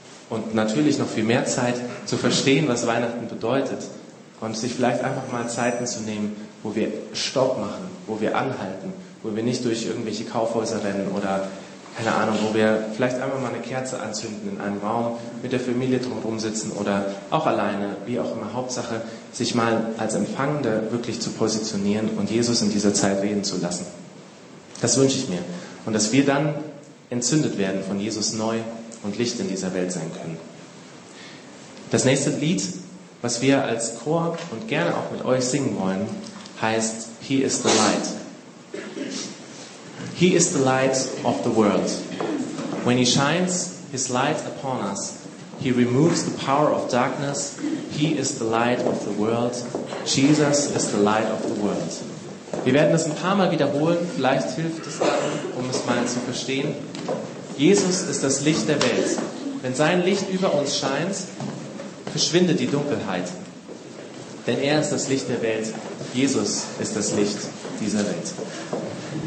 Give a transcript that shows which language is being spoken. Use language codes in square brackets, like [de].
[de] und natürlich noch viel mehr Zeit, zu verstehen, was Weihnachten bedeutet und sich vielleicht einfach mal Zeiten zu nehmen, wo wir Stopp machen, wo wir anhalten, wo wir nicht durch irgendwelche Kaufhäuser rennen oder keine Ahnung, wo wir vielleicht einfach mal eine Kerze anzünden in einem Raum, mit der Familie drumherum sitzen oder auch alleine, wie auch immer, Hauptsache, sich mal als Empfangende wirklich zu positionieren und Jesus in dieser Zeit reden zu lassen. Das wünsche ich mir. Und dass wir dann entzündet werden von Jesus neu und Licht in dieser Welt sein können. Das nächste Lied, was wir als Chor und gerne auch mit euch singen wollen, heißt He is the Light. [en] He is the light of the world. When he shines his light upon us, he removes the power of darkness. He is the light of the world. Jesus is the light of the world. [de] Wir werden das ein paar Mal wiederholen. Vielleicht hilft es dann, um es mal zu verstehen. Jesus ist das Licht der Welt. Wenn sein Licht über uns scheint, verschwindet die Dunkelheit. Denn er ist das Licht der Welt. Jesus ist das Licht dieser Welt.